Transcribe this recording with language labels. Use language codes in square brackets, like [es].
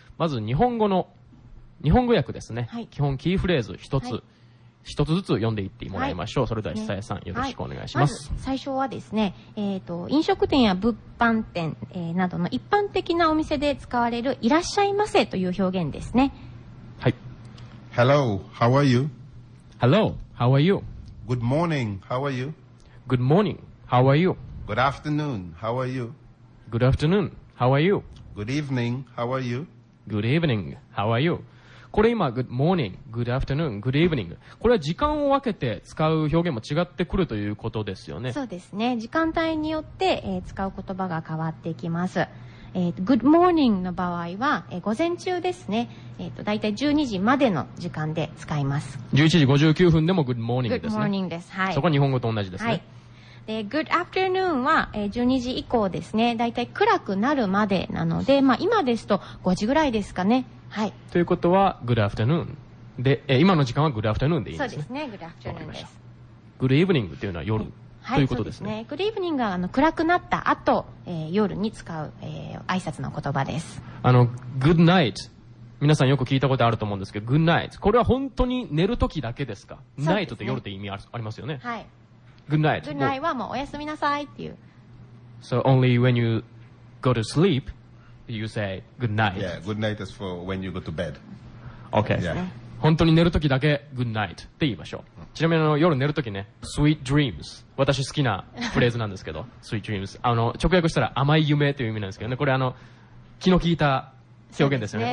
[ja] まず日本語訳ですね、はい、基本キーフレーズ一つずつ読んでいってもらいましょう、はい。それでは久江さん、ね、よろしくお願いします、はい。まず最初はですね、飲食店や物販店、などの一般的なお店で使われるいらっしゃいませという表現ですね。はい。 [en] Hello, how are you? Hello, how are you? Good morning, how are you? Good morning, how are you? Good afternoon, how are you? Good afternoon, how are you? Good evening, how are you? Good evening, how are you? [ja] これ今 good morning, good afternoon, good evening、 これは時間を分けて使う表現も違ってくるということですよね。そうですね、時間帯によって、使う言葉が変わってきます。 good morning の場合は、午前中ですね、だいたい12時までの時間で使います。 11時59分でも good morning ですね。 good morning です、はい、そこは日本語と同じですね、はい。で、good afternoon は、12時以降ですね、だいたい暗くなるまでなので、まあ、今ですと5時ぐらいですかね、はい。ということは good afternoon で、今の時間は good afternoon でいいですね。そうですね、 good afternoon です。 good evening というのは夜、はい、ということですね。そうですね、 good evening は暗くなった後、夜に使う、挨拶の言葉です。 good night、皆さんよく聞いたことあると思うんですけど、 good night、 これは本当に寝る時だけですか？そうですね、 night って夜って意味ありますよね、はい。 [en] Good night. [ja] Good night はもうおやすみなさいっていう。 [en] So only when you go to sleep, you say good night. Yeah, good night is for when you go to bed. Okay. Yeah. [ja] 本当に寝るときだけ good night って言いましょう。ちなみに夜寝るときね、 [en] sweet dreams。 [ja] 私好きなフレーズなんですけど、 [en] sweet dreams。 [ja] 直訳したら甘い夢という意味なんですけどね。これ気の利いた表現ですよね。